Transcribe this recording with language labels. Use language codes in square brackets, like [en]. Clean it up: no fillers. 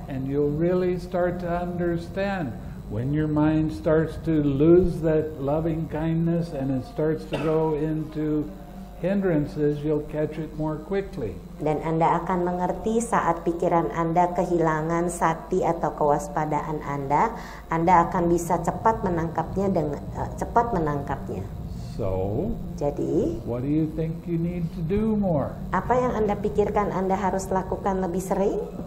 [en] And you'll really start to understand when your mind starts to lose that loving kindness and it starts to go into hindrances, you'll catch it more quickly. [id] Dan Anda akan mengerti saat pikiran Anda kehilangan sati atau kewaspadaan Anda, Anda akan bisa cepat menangkapnya [en] So, [id] jadi, [en] what do you think you need to do more? [id] Apa yang Anda pikirkan Anda harus lakukan lebih sering?